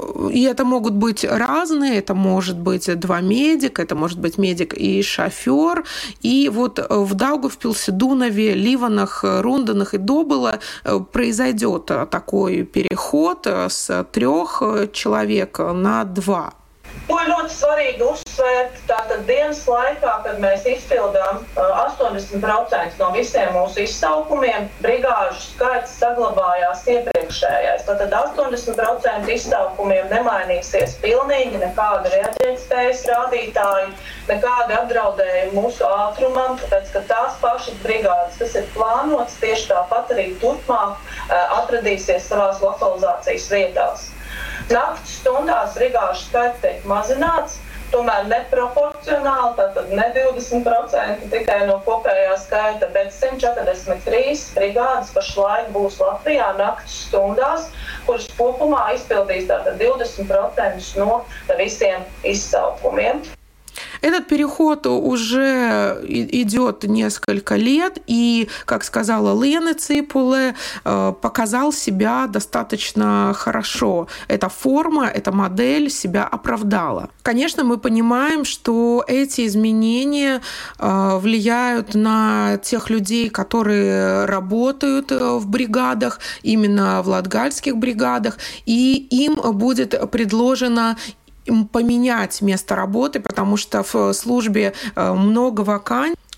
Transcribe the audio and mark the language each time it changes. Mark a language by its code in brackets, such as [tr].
[ru] И это могут быть разные. Это может быть 2 медика, это может быть медик и шофер. И вот в Даугавпилсе, Дунаве, Ливанах, Рунденах и Добыла произойдет такой переход с 3 человек на 2. [lv] To ir ļoti svarīgi uzsvērt, tātad dienas laikā, kad mēs izpildām 80% no visiem mūsu izsaukumiem, brigāžu skaits saglabājās iepriekš. iekšējais. Tātad 80% iztaukumiem nemainīsies pilnīgi, nekādi reaģētspējas rādītāji, nekādi apdraudējumi mūsu ātrumam, tāpēc, ka tās pašas brigādes, kas ir plānotas, tieši tāpat arī turpmāk atradīsies savās lokalizācijas vietās. Nakts stundās brigāžu skaits tiek mazināts, tomēr neproporcionāli, tātad ne 20% tikai no kopējā skaita, bet 143 brigādes pašlaik būs Latvijā nakts stundās, kuras kopumā izpildīs tātad 20% no visiem izsaukumiem. [ru] Этот переход уже идет несколько лет, и, как сказала Лена Ципуле, показал себя достаточно хорошо. Эта форма, эта модель себя оправдала. Конечно, мы понимаем, что эти изменения влияют на тех людей, которые работают в бригадах, именно в латгальских бригадах, и им будет предложено поменять место работы, потому что в службе много вакансий.